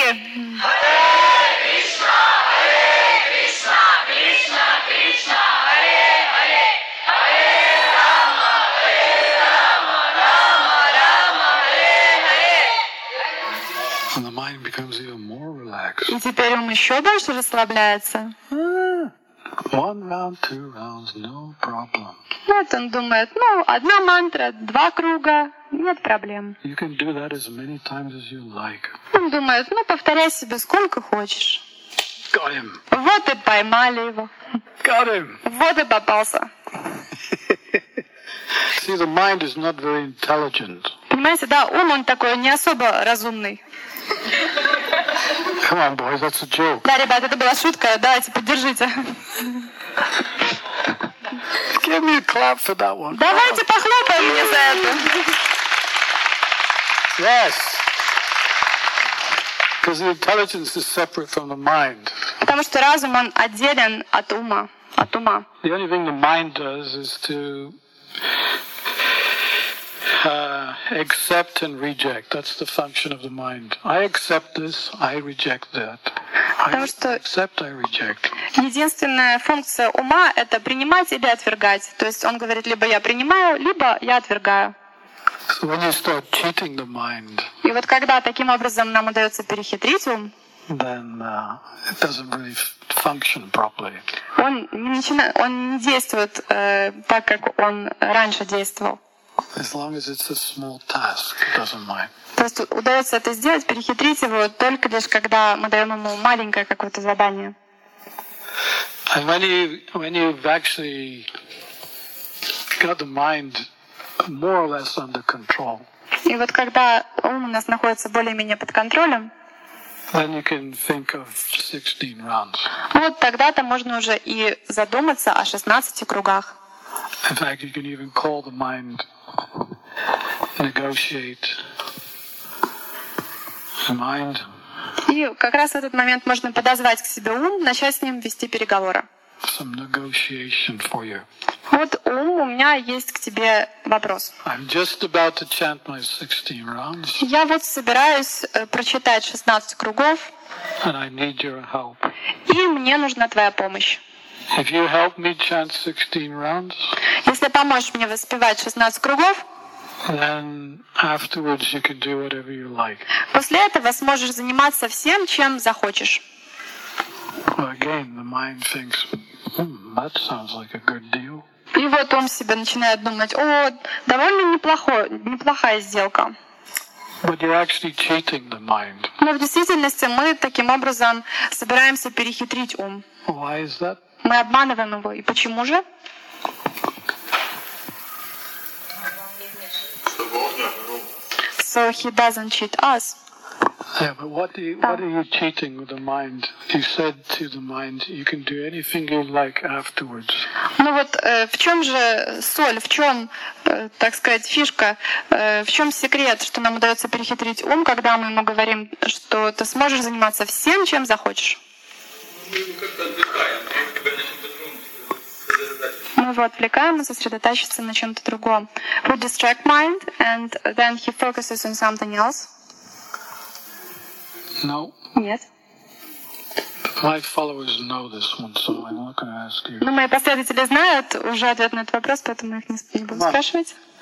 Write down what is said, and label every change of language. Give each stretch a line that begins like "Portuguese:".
Sanskrit: Харе Кришна, Харе Кришна, Кришна Кришна, Харе Харе, Харе Рама, Харе Рама, Рама Рама, Харе Харе.
English: And the mind becomes even more relaxed.
Russian: И теперь он еще больше расслабляется.
English: One round, two rounds, no problem.
Russian: Вот он думает, ну, одна мантра, два круга, нет проблем.
English: You can do that as many times as you like.
Russian: Он думает, ну, повторяй себе сколько хочешь.
English: Got him.
Russian: Вот и поймали его.
English: Got him.
Russian: Вот и попался.
English: See, the mind is not very intelligent.
Russian: Понимаете, да, ум он такой не особо разумный.
English: Come on, boys, that's a joke.
Russian: Да, ребята, это была шутка, давайте, поддержите.
English: Give me a clap for that one.
Russian: Давайте похлопаем мне за это.
English: Yes. Because the intelligence is separate from the mind.
Russian: Потому что разум, он отделен от ума. От ума.
English: The only thing the mind does is to accept and reject. That's the function of the mind. I accept this, I reject that. I accept, I reject.
Russian: Единственная функция ума — это принимать или отвергать. То есть он говорит, либо я принимаю, либо я отвергаю.
English: So when you start cheating the mind,
Russian: и вот когда таким образом нам удается перехитрить ум,
English: then it doesn't really function properly.
Russian: Он не действует так, как он раньше действовал.
English: As long as it's a small task, it doesn't mind.
Russian: То есть удается это сделать, перехитрить его только лишь когда мы даем ему маленькое какое-то задание.
English: And when you've actually got the mind more or less under control.
Russian: И вот когда ум у нас находится более-менее под контролем.
English: Then you can think of 16 rounds.
Russian: Вот тогда-то можно уже и задуматься о 16 кругах.
English: In fact, you can even call the mind. Negotiate the mind.
Russian: И как раз в этот момент можно подозвать к себе ум, начать с ним вести переговоры.
English: Some negotiation for you.
Russian: Вот ум, у меня есть к тебе вопрос.
English: I'm just about to chant my 16 rounds.
Russian: Я вот собираюсь прочитать 16 кругов.
English: And I need your help.
Russian: И мне нужна твоя помощь.
English: If you help me chant 16 rounds,
Russian: если поможешь мне воспевать 16 кругов,
English: then afterwards you can do whatever you like.
Russian: После этого сможешь заниматься всем, чем захочешь.
English: Again, the mind thinks, that sounds like a good deal.
Russian: И вот он себе начинает думать, о, довольно неплохая сделка.
English: But you're actually cheating the mind.
Russian: Но в действительности мы таким образом собираемся перехитрить ум.
English: Why is that?
Russian: Мы обманываем его. И почему же?
English: So he doesn't cheat us. Yeah, but what are you cheating with the mind? You said to the mind, you can do anything you like afterwards.
Russian: Ну вот в чем же соль, в чем, так сказать, фишка, в чем секрет, что нам удается перехитрить ум, когда мы ему говорим, что ты сможешь заниматься всем, чем захочешь? Мы его отвлекаем и сосредотачиваемся на чем-то другом.
English: We distract mind and then he focuses on something else. No.
Russian: Нет.
English: My followers know this one, so I'm not going to ask you.
Russian: Ну, мои последователи знают уже ответ на этот вопрос, поэтому их не буду спрашивать.